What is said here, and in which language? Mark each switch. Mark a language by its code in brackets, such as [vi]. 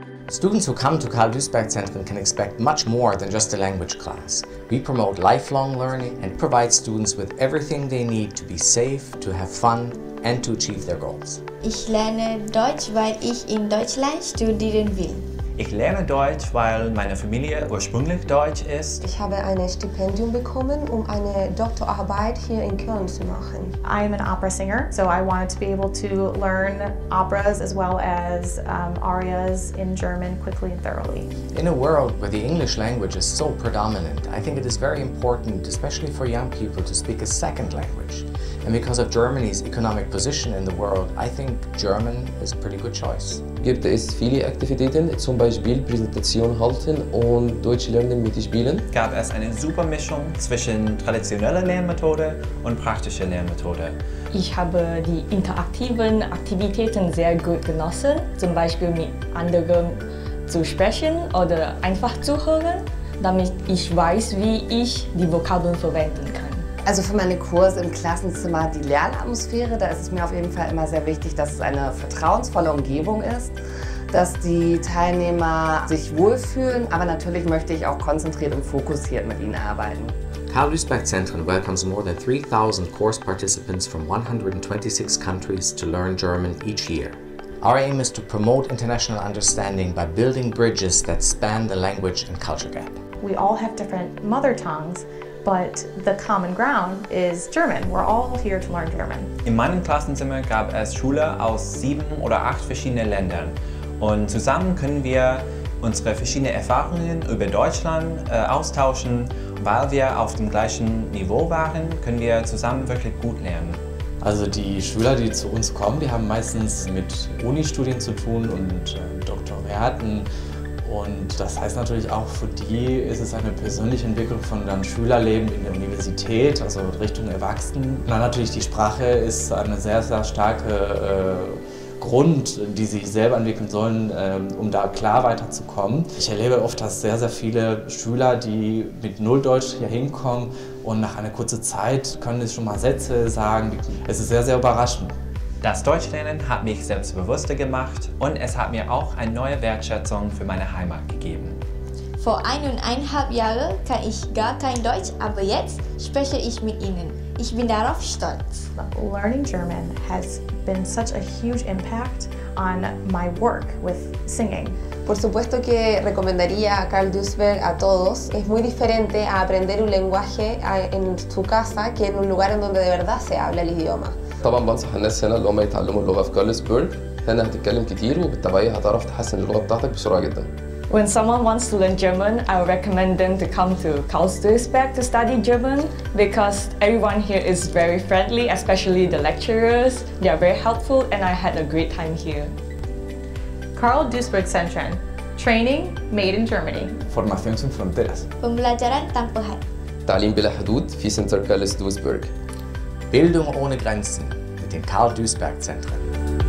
[en] Students who come to Carl Duisberg Centren can expect much more than just a language class. We promote lifelong learning and provide students with everything they need to be safe, to have fun and to achieve their goals. [de] Ich lerne Deutsch, weil ich in Deutschland studieren will. Ich lerne Deutsch, weil meine Familie ursprünglich Deutsch ist. Ich habe ein Stipendium bekommen, um eine Doktorarbeit hier in Köln zu machen. [en] I am an opera singer, so I wanted to be able to learn operas as well as arias in German quickly and thoroughly. In a world where the English language is so predominant, I think it is very important, especially for young people, to speak a second language. And because of Germany's economic position in the world, I think German is a pretty good choice. [de] Gibt es viele Aktivitäten, zum Beispiel Präsentation halten und Deutsch lernen mit Spielen? Gab es eine super Mischung zwischen traditioneller Lernmethode und praktischer Lernmethode? Ich habe die interaktiven Aktivitäten sehr gut genossen, zum Beispiel mit anderen zu sprechen oder einfach zu hören, damit ich weiß, wie ich die Vokabeln verwenden kann. Also für meine Kurse im Klassenzimmer, die Lernatmosphäre, da ist es mir auf jeden Fall immer sehr wichtig, dass es eine vertrauensvolle Umgebung ist, dass die Teilnehmer sich wohlfühlen, aber natürlich möchte ich auch konzentriert und fokussiert mit ihnen arbeiten. [en] Carl Duisberg Centren welcomes more than 3,000 course participants from 126 countries to learn German each year. Our aim is to promote international understanding by building bridges that span the language and culture gap. We all have different mother tongues, but the common ground is German. We're all here to learn German. [de] In meinem Klassenzimmer gab es Schüler aus 7 oder 8 verschiedenen Ländern. Und zusammen können wir unsere verschiedenen Erfahrungen über Deutschland austauschen. Weil wir auf dem gleichen Niveau waren, können wir zusammen wirklich gut lernen. Also die Schüler, die zu uns kommen, die haben meistens mit Uni-Studien zu tun und Doktoraten. Und das heißt natürlich auch, für die ist es eine persönliche Entwicklung von dem Schülerleben in der Universität, also Richtung Erwachsenen. Na, natürlich, die Sprache ist eine sehr, sehr starke Grund, die sie selber entwickeln sollen, um da klar weiterzukommen. Ich erlebe oft, dass sehr, sehr viele Schüler, die mit Null Deutsch hier hinkommen und nach einer kurzen Zeit können sie schon mal Sätze sagen. Es ist sehr, sehr überraschend. Das Deutschlernen hat mich selbstbewusster gemacht und es hat mir auch eine neue Wertschätzung für meine Heimat gegeben. Vor 1,5 Jahren kann ich gar kein Deutsch, aber jetzt spreche ich mit Ihnen. Ich bin darauf stolz. [en] Learning German has been such a huge impact on my work with singing. [es] Por supuesto que recomendaría a Carl Duisberg a todos. Es muy diferente a aprender un lenguaje en su casa que en un lugar en donde de verdad se habla el idioma. [ar] طبعا بنصح الناس هنا اللي هم يتعلموا اللغه في كارلسبرغ هنا هتتكلم كتير وبالتبعية هتعرف تحسن اللغه بتاعتك بسرعه جدا. [en] When someone wants to learn German, I would recommend them to come to Carl Duisberg to study German because everyone here is very friendly, especially the lecturers. They are very helpful and I had a great time here. Carl Duisberg Centren. Training made in Germany. [es] Formación sin fronteras. Vom lateral tampoco. [ar] تعليم بلا حدود في سنتر كارلس دويسبرغ. [de] Bildung ohne Grenzen mit den Carl Duisberg Zentren.